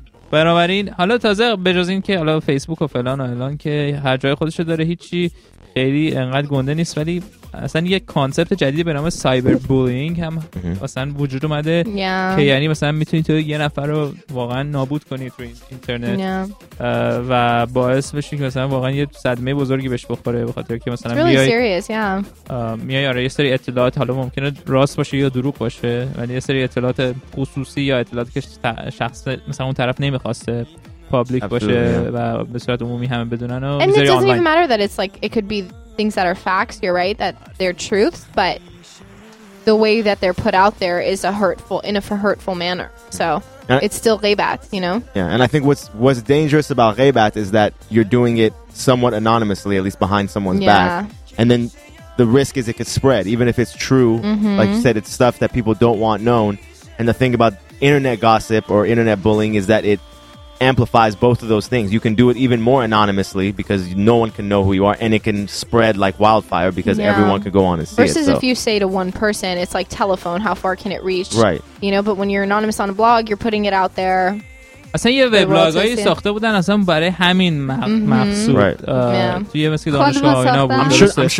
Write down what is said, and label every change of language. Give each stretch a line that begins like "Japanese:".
Persian: بنابراین حالا تازه بجز این که حالا فیسبوک و فلان و الان که هر جای خودشو داره هیچی خیلی انقدر گنده نیست، ولی اصلا یک کانسپت جدیدی به نام سایبر بولینگ هم اصلا وجود اومده که یعنی مثلا میتونی تو یه نفر رو واقعا نابود کنی تو اینترنت و باعث بشی که مثلا واقعا یه صدمه بزرگی بهش بخوره به خاطر که مثلا
English: really
Persian: میای
English: serious,
Persian: میای آره یه سری اطلاعات، حالا ممکنه راست باشه یا دروغ باشه، ولی یه سری اطلاعات خصوصی یا اطلاعاتی که شخص مثلا اون طرف نمیخواسته پابلیک باشه و به صورت عمومی همه بدونن و میذاری آنلاین.
English: And it doesn't even matter that it's like it could be things that are facts, you're right, that they're truths, but the way that they're put out there is a hurtful in a hurtful manner, so and it's still غیبت, you know. Yeah, and I think what's dangerous about غیبت is that you're doing it somewhat anonymously, at least behind someone's back, and then the risk is it could spread even if it's true. Like you said, it's stuff that people don't want known, and the thing about internet gossip or internet bullying is that it amplifies both of those things. You can do it even more anonymously because no one can know who you are, and it can spread like wildfire because everyone can go on and see versus it. Versus if you say to one person, it's like telephone, how far can it reach? Right. You know, but when you're anonymous on a blog, you're putting it out there.
Persian: اصلا یه وبلاگ هایی ساخته بودن اصلا برای همین مقصود.
English: Right.
Persian: توی یه مسکی دانشگاه اینا بود.